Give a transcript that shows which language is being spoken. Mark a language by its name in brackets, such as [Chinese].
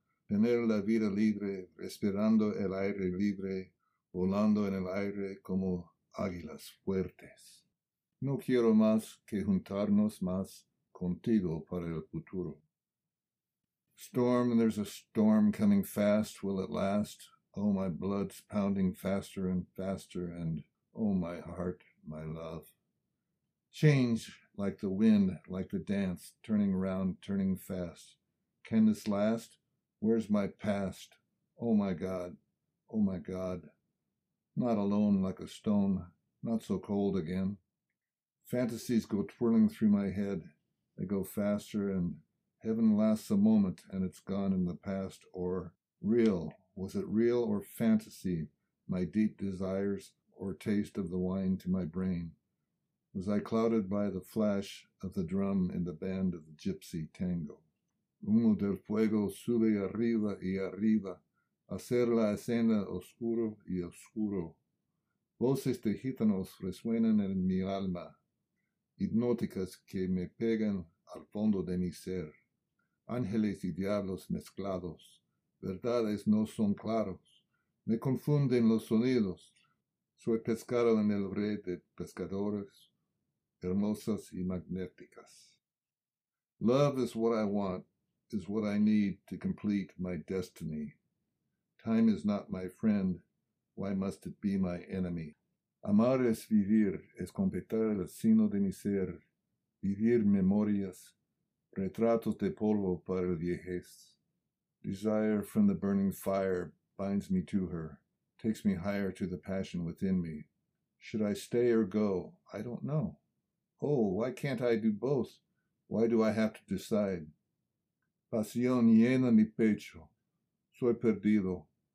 [Spanish] Tener la vida libre, respirando el aire libre, volando en el aire como águilas fuertes. No quiero más que juntarnos más contigo para el futuro. [English] Storm, there's a storm coming fast. Will it last? Oh, my blood's pounding faster and faster, and oh, my heart, my love. Change like the wind, like the dance, turning round, turning fast. Can this last? Where's my past? Oh, my God. Oh, my God. Not alone like a stone, not so cold again. Fantasies go twirling through my head. They go faster, and heaven lasts a moment, and it's gone in the past, or real. Was it real or fantasy? My deep desires or taste of the wine to my brain? Was I clouded by the flash of the drum in the band of the gypsy tango? [Spanish] Humo del fuego sube arriba y arriba, hacer la escena oscuro y oscuro. Voces de gitanos resuenan en mi alma. Hipnóticas que me pegan al fondo de mi ser. Ángeles y diablos mezclados, verdades no son claros. Me confunden los sonidos. Soy pescado en el red de pescadores, hermosas y magnéticas. [English] Love is what I want, is what I need to complete my destiny. Time is not my friend, why must it be my enemy? [Spanish] Amar es vivir, es completar el sino de mi ser, vivir memorias, retratos de polvo para el viejez. [English] Desire from the burning fire binds me to her, takes me higher to the passion within me. Should I stay or go? I don't know. Oh, why can't I do both? Why do I have to decide? [Spanish] Pasión llena mi pecho. Soy perdido.